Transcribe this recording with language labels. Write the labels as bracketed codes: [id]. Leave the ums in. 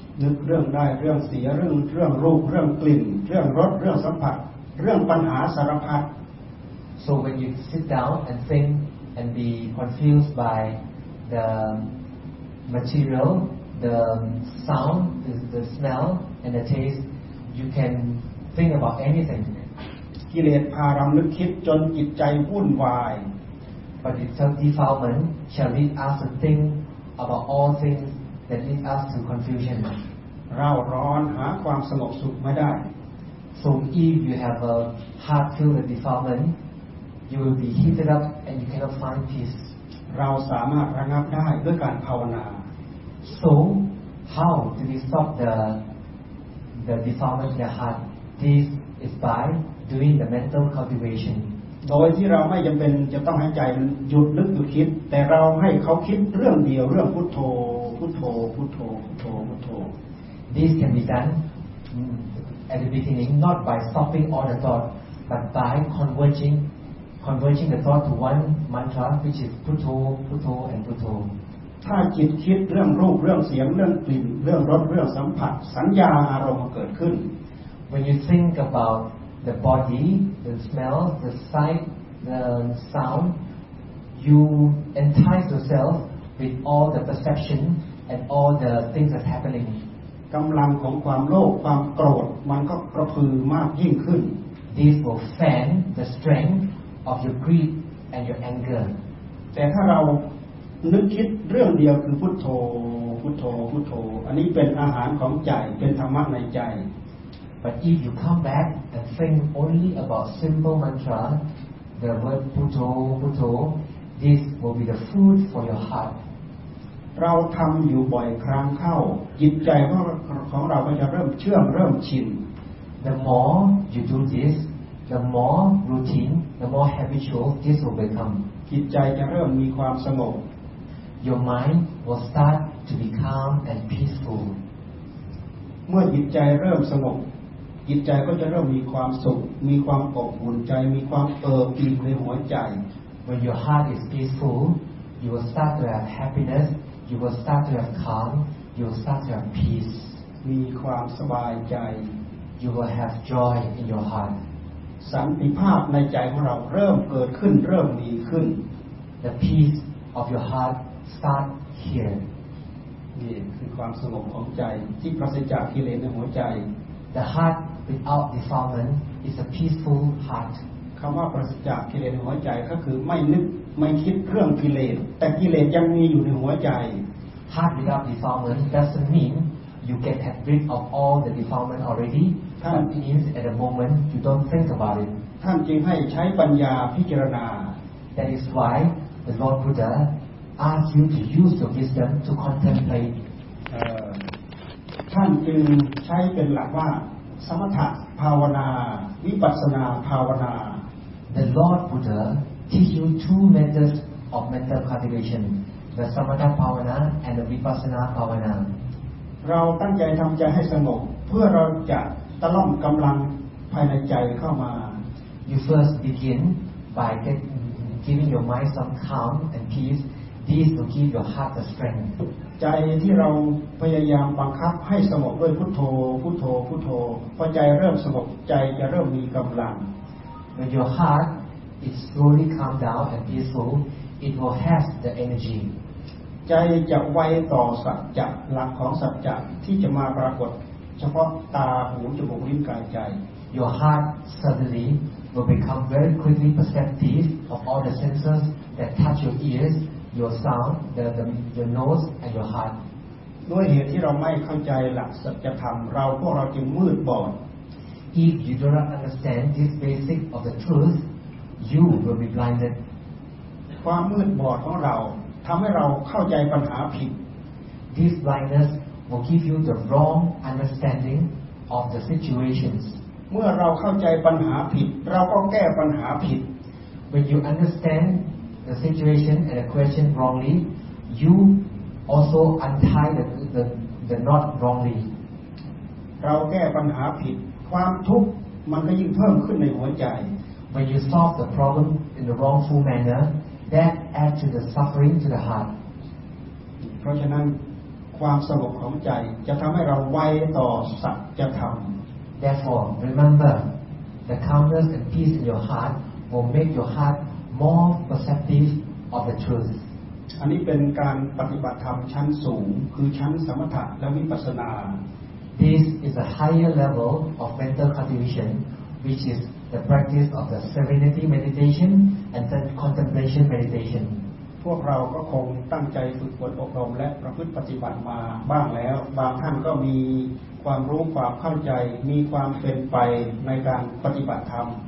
[th] นึกเรื่องได้เรื่องเสียเรื่องเรื่องรูปเรื่องกลิ่น เรื่องรสเรื่องสัมผัส เรื่องปัญหาสารพัด [en] So when you sit down and think and be confused by the material, the sound, the, the smell, and the taste, you can think about anything. [th] กิเลสพาเรานึกคิดจนจิตใจวุ่นวาย [en] But the self-defilement shall lead us to think about all things that lead us to confusion. [th] เราร้อนหาความสงบสุขไม่ได้ [en] So if you have a heart filled with defilement, you will be heated up and you cannot find peace. [th] เราสามารถระงับได้ด้วยการภาวนา [en] So how do we stop the the defilement in the heart? This is by doing the mental cultivation. [th] โดยที่เราไม่จำเป็นจะต้องให้ใจมันหยุดนึกหยุดคิด แต่เราให้เขาคิดเรื่องเดียวเรื่องพุทโธ พุทโธ พุทโธ พุทโธพุทโธ [en] This can be done mm, at the beginning not by stopping all the thought, but by converging converging the thought to one mantra which is putto, putto and putto. [th] ถ้าจิตคิดเรื่องรูปเรื่องเสียงเรื่องกลิ่น เรื่องรสเรื่องสัมผัส สัญญาอารมณ์เกิดขึ้น [en] When you think about the body, the smell, the sight, the sound, you entice yourself with all the perception and all the things that's happening. [th] กำลังของความโลภความโกรธมันก็กระพือมากยิ่งขึ้น [en] This will fan the strength of your greed and your anger. [th] แต่ถ้าเรานึกคิดเรื่องเดียวคือพุทโธ พุทโธ พุทโธ อันนี้เป็นอาหารของใจ เป็นธรรมะในใจ [en] But if you come back and think only about simple mantra, the word puto, puto, this will be the food for your heart. [th] เราทำอยู่บ่อยครั้งเข้า จิตใจของของเราก็จะเริ่มเชื่อมเริ่มชิน [en] The more you do this, the more routine, the more habitual this will become. [th] จิตใจจะเริ่มมีความสงบ [en] Your mind will start to be calm and peaceful. [th] เมื่อจิตใจเริ่มสงบ จิตใจก็จะเริ่มมีความสุข มีความอบอุ่นใจ มีความเอิบอิ่มในหัวใจ [en] When your heart is peaceful, you will start to have happiness, you will start to have calm, you will start to have peace. [th] มีความสบายใจ [en] You will have joy in your heart. [th] สันติภาพในใจของเราเริ่มเกิดขึ้น เริ่มดีขึ้น [en] The peace of your heart start here. [th] นี่คือความสงบของใจ ที่ปราศจากกิเลสในหัวใจ [en] The heart without defilement is a peaceful heart. [th] คำว่าปราศจากกิเลสในหัวใจก็คือไม่นึกไม่คิดเรื่องกิเลส แต่กิเลสยังมีอยู่ในหัวใจ [en] Heart without defilement doesn't mean you get rid of all the defilement already, Huh. but it means at the moment you don't think about it. [th] ท่านจึงให้ใช้ปัญญาพิจารณา [en] That is why the Lord Buddha asked you to use your wisdom to contemplate. [th] เอ่อท่านจึงใช้เป็นหลักว่า สมถะภาวนา วิปัสสนาภาวนา [en] The Lord Buddha teach you two methods of mental cultivation, the Samatha Bhavana and the Vipassana Bhavana. [th] เราตั้งใจทำใจให้สงบเพื่อเราจะตะล่อมกำลังภายในใจเข้ามา [en] You first begin by get, giving your mind some calm and peace. This will give your heart the strength. [th] ใจที่เราพยายามบังคับให้สงบด้วยพุทโธ พุทโธ พุทโธพอใจเริ่มสงบใจจะเริ่มมีกำลัง [en] When your heart is slowly calm down and peaceful, it will have the energy. [th] ใจจะไวต่อสัจจะหลักของสัจจะที่จะมาปรากฏ เฉพาะตาหูจมูกลิ้นกายใจ [en] Your heart suddenly will become very quickly perceptive of all the senses that touch your ears, your sound, the, the, your nose, and your heart. [th] ด้วยเหตุที่เราไม่เข้าใจหลักสัจธรรม เราพวกเราจึงมืดบอด [en] If you do not understand this basic of the truth, you will be blinded. [th] ความมืดบอดของเราทำให้เราเข้าใจปัญหาผิด [en] This blindness will give you the wrong understanding of the situations. [th] เมื่อเราเข้าใจปัญหาผิด เราก็แก้ปัญหาผิด [en] When you understand the situation and the question wrongly, you also untie the, the, the knot wrongly. [th] เราแก้ปัญหาผิด ความทุกข์มันก็ยิ่งเพิ่มขึ้นในหัวใจ [en] When you solve the problem in the wrongful manner, that adds to the suffering to the heart. [th] เพราะฉะนั้นความสงบของใจจะทำให้เราไวต่อสัจธรรม [en] Therefore, remember, the calmness and peace in your heart will make your heart more perceptive of the truth. [th] อันนี้เป็นการปฏิบัติธรรมชั้นสูง คือชั้นสมถะและวิปัสสนา [en] This is a higher level of mental cultivation, which is the practice of the serenity meditation and the contemplation meditation. [th] พวกเราก็คงตั้งใจฝึกฝนอบรมและประพฤติปฏิบัติมาบ้างแล้ว บางท่านก็มีความรู้ความเข้าใจ มีความเป็นไปในการปฏิบัติธรรม